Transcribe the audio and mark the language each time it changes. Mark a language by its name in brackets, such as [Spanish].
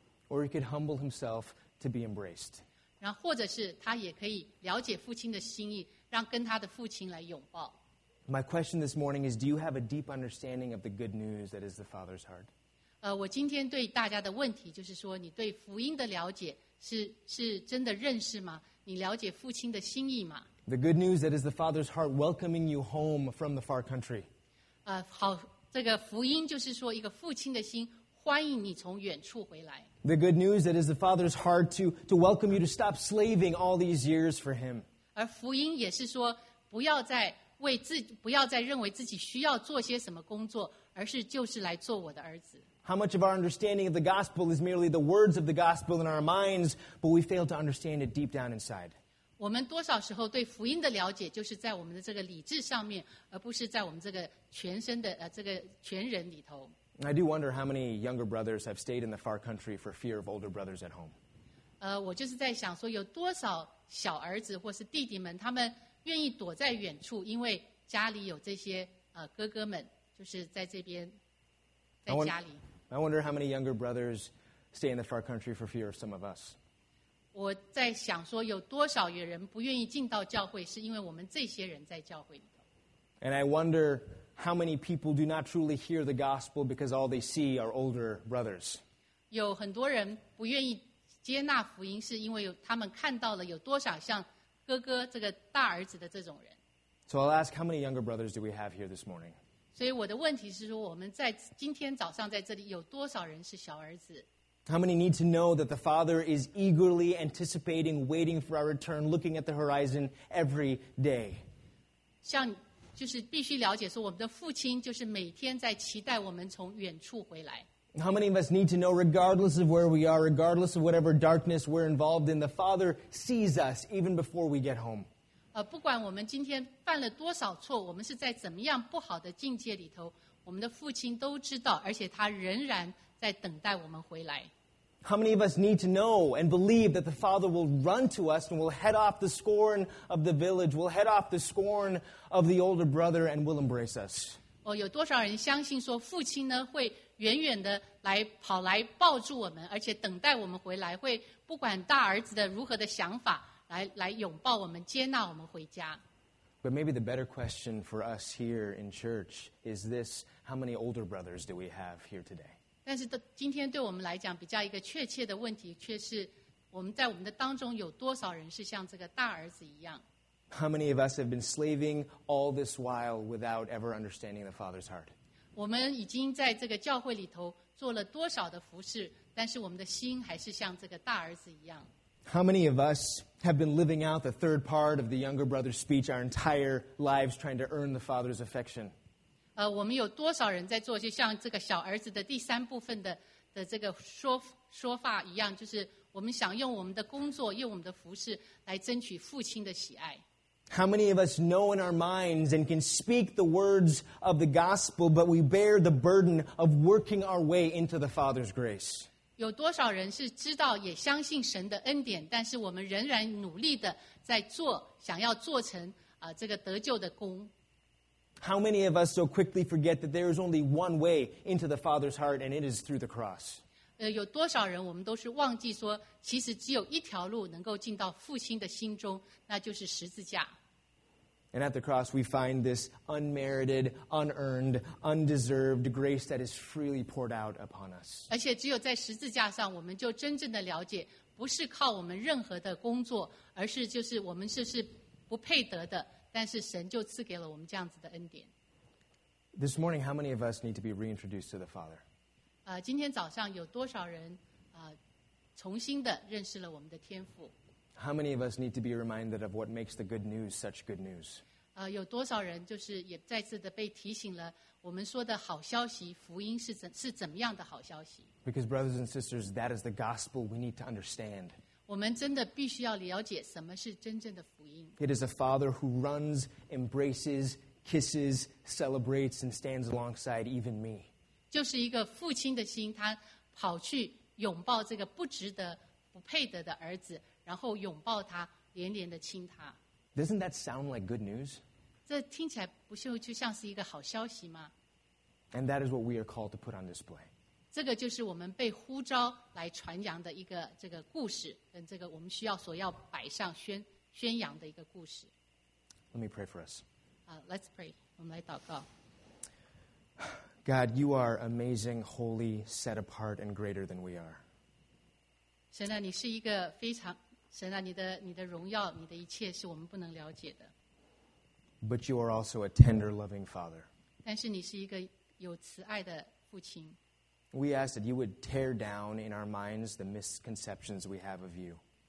[English] Or he could humble himself to be embraced. [Chinese] 然后或者是他也可以了解父亲的心意，让跟他的父亲来拥抱。 [English] My question this morning is, do you have a deep understanding of the good news that is the Father's heart? [Chinese] 我今天对大家的问题就是说，你对福音的了解是真的认识吗？你了解父亲的心意吗？ [English] The good news that is the Father's heart welcoming you home from the far country. [Chinese] 好，这个福音就是说一个父亲的心欢迎你从远处回来。 [English] The good news that is the Father's heart to welcome you to stop slaving all these years for him. [Chinese] 而福音也是说不要再认为自己需要做些什么工作，而是就是来做我的儿子。 [English] How much of our understanding of the gospel is merely the words of the gospel in our minds, but we fail to understand it deep down inside? [Chinese] 我们多少时候对福音的了解就是在我们的这个理智上面，而不是在我们这个全身的这个全人里头。 [English] I do wonder how many younger brothers have stayed in the far country for fear of older brothers at home. [Chinese] 我就是在想说有多少小儿子或是弟弟们他们愿意躲在远处，因为家里有这些哥哥们，就是在这边，在家里。 [English] I wonder how many younger brothers stay in the far country for fear of some of us. [Chinese] 我在想说有多少人不愿意进到教会是因为我们这些人在教会里头。 [English] And I wonder how many people do not truly hear the gospel because all they see are older brothers. [Chinese] 有很多人不愿意接纳福音是因为他们看到了有多少像哥哥这个大儿子的这种人。 [English] So I'll ask how many younger brothers do we have here this morning? [Chinese] 所以我的问题是说我们在今天早上在这里有多少人是小儿子。 [English] How many need to know that the Father is eagerly anticipating, waiting for our return, looking at the horizon every day? [Chinese] 像就是必须了解说我们的父亲就是每天在期待我们从远处回来。 [English] How many of us need to know, regardless of where we are, regardless of whatever darkness we're involved in, the Father sees us even before we get home? [Chinese] 不管我们今天犯了多少错，我们是在怎么样不好的境界里头，我们的父亲都知道，而且他仍然在等待我们回来。 [English] How many of us need to know and believe that the Father will run to us and will head off the scorn of the village, will head off the scorn of the older brother and will embrace us? [Chinese] 有多少人相信说父亲呢会远远的来跑来抱住我们，而且等待我们回来，会不管大儿子的如何的想法，来拥抱我们，接纳我们回家。 [English] But maybe the better question for us here in church is this: How many older brothers do we have here today? [Chinese] 但是今天对我们来讲，比较一个确切的问题，却是我们在我们的当中有多少人是像这个大儿子一样。 [English] How many of us have been slaving all this while without ever understanding the Father's heart? [Chinese] 我们已经在这个教会里头做了多少的服事，但是我们的心还是像这个大儿子一样。 [English] How many of us have been living out the third part of the younger brother's speech our entire lives trying to earn the Father's affection? [Chinese] 我们有多少人在做就像这个小儿子的第三部分的这个说法一样，就是我们想用我们的工作，用我们的服事来争取父亲的喜爱。 [English] How many of us know in our minds and can speak the words of the gospel, but we bear the burden of working our way into the Father's grace? [Chinese] 有多少人是知道也相信神的恩典，但是我们仍然努力的在做，想要做成这个得救的功。 [English] How many of us so quickly forget that there is only one way into the Father's heart, and it is through the cross? [Chinese] 有多少人我们都是忘记说其实只有一条路能够进到父亲的心中，那就是十字架。 [English] And at the cross we find this unmerited, unearned, undeserved grace that is freely poured out upon us. [Chinese] 而且只有在十字架上我们就真正的了解，不是靠我们任何的工作，而是就是我们是不配得的，但是神就赐给了我们这样子的恩典。 [English] This morning, how many of us need to be reintroduced to the Father? [Chinese] 今天早上有多少人重新的认识了我们的天父。 [English] How many of us need to be reminded of what makes the good news such good news? [Chinese] 有多少人就是也再次的被提醒了我们说的好消息，福音是怎么样的好消息。 [English] Because brothers and sisters, that is the gospel we need to understand. [Chinese] 我们真的必须要了解什么是真正的福音。 [English] It is a father who runs, embraces, kisses, celebrates, and stands alongside even me. [Chinese] 就是一个父亲的心，他跑去拥抱这个不值得、不配得的儿子，然后拥抱他，连连的亲他。 [English] Doesn't that sound like good news? [Chinese] 这听起来不就像是一个好消息吗？ [English] And that is what we are called to put on display. [Chinese] 这个就是我们被呼召来传扬的一个这个故事，跟这个我们需要所要摆上宣扬的一个故事。 [English] Let me pray for us. Let's pray. [Chinese] 我们来祷告。 [English] God, you are amazing, holy, set apart, and greater than we are. [Chinese] 神啊，你是一个非常神啊，你的荣耀，你的一切是我们不能了解的。 [English] But you are also a tender, loving Father. [Chinese] 但是你是一个有慈爱的父亲。 [English] We ask that you would tear down in our minds the misconceptions we have of you.